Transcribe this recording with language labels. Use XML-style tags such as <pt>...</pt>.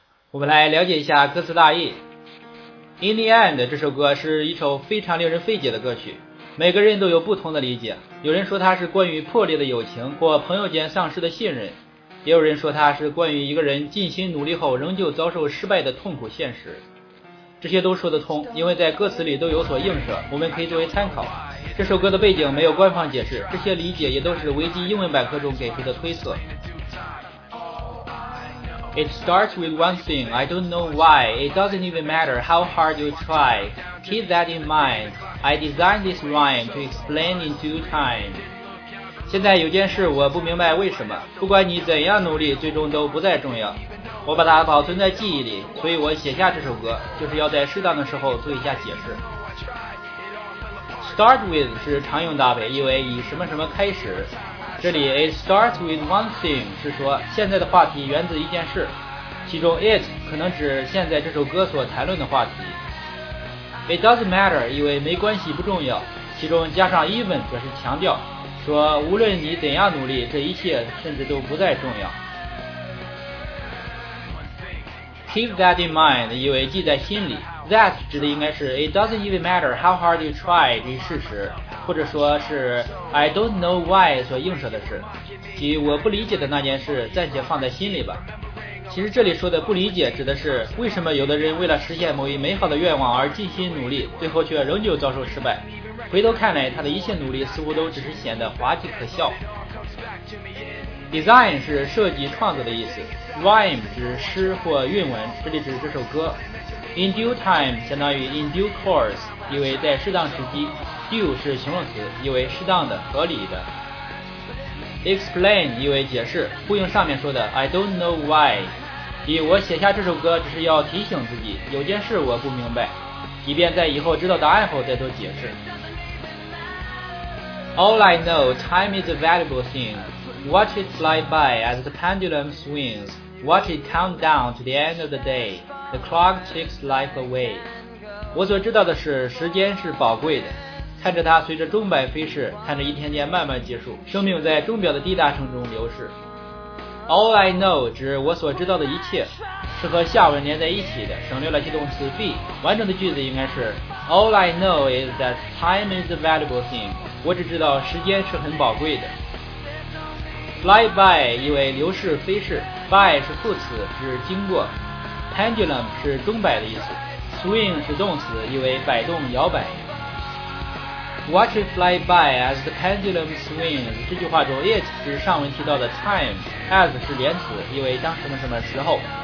<zh>我们来了解一下歌词大意。</zh> <en>In the end</en> <zh>这首歌是一首非常令人费解的歌曲，每个人都有不同的理解，有人说它是关于破裂的友情或朋友间丧失的信任，也有人说它是关于一个人尽心努力后仍旧遭受失败的痛苦现实。这些都说得通，因为在歌词里都有所映射，我们可以作为参考。这首歌的背景没有官方解释，这些理解也都是维基英文百科中给出的推测。</zh> <en>It starts with one thing, I don't know why. It doesn't even matter how hard you try. Keep that in mind. I designed this rhyme to explain in due time.</en> <zh>现在有件事我不明白为什么，不管你怎样努力，最终都不再重要。我把它保存在记忆里，所以我写下这首歌，就是要在适当的时候做一下解释。</zh> <en>Start with</en> <zh>是常用搭配，意为以什么什么开始。这里</zh> <en>It starts with one thing</en> <zh>是说现在的话题源自一件事，其中 it 可能指现在这首歌所谈论的话题。</zh> <en>It doesn't matter</en> <zh>意为没关系不重要，其中加上 even 则是强调，说无论你怎样努力，这一切甚至都不再重要。</zh> <en>Keep that in mind</en> <zh>意为记在心里。 That 指的应该是</zh> <en>It doesn't even matter how hard you try</en> <zh>这一事实，或者说是</zh> <en>I don't know why</en> <zh>所映射的事，即我不理解的那件事暂且放在心里吧。其实这里说的不理解指的是为什么有的人为了实现某一美好的愿望而尽心努力，最后却仍旧遭受失败，回头看来他的一切努力似乎都只是显得滑稽可笑。 Design 是设计创作的意思， Rhyme 指诗或韵文，这里指这首歌。</zh> <en>In due time</en> <zh>相当于</zh> <en>in due course，</en> <zh>意为在适当时机。 due 是形容词，意为适当的、合理的。explain 意为解释，呼应上面说的</zh> <en>I don't know why，</en> <zh>以我写下这首歌只是要提醒自己有件事我不明白，以便在以后知道答案后再做解释。</zh> <en>All I know time is a valuable thing， Watch it fly by as the pendulum swings， Watch it count down to the end of the dayThe clock takes life away.</en> <zh>我所知道的是时间是宝贵的，看着它随着钟摆飞逝，看着一天天慢慢结束，生命在钟表的滴答声中流逝。</zh> <en>All I know</en> <zh>指我所知道的一切，是和下文连在一起的，省略了系动词 be。完整的句子应该是</zh> <en>All I know is that time is a valuable thing，</en> <zh>我只知道时间是很宝贵的。</zh> <en>Fly by</en> <zh>意为流逝飞逝， by 是副词指经过，Pendulum 是钟摆的意思， Swing 是动词，意为摆动摇摆。</zh> <en>Watch it fly by as the pendulum swings，</en> <zh>这句话中 it 是上文提到的 time， as 是连词，意为当什么什么时候。</zh>